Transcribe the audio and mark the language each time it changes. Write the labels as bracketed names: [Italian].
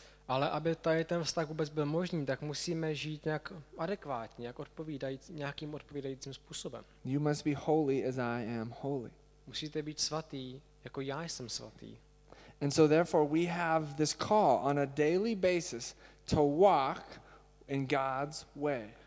[Czech] Ale aby tady ten vztah vůbec byl možný, tak musíme žít nějak adekvátně, nějakým odpovídajícím způsobem. [English] You must be holy as I am holy. [Czech] Musíte být svatý, jako já jsem svatý. [English] And so therefore we have this call on a daily basis to walk in God's way.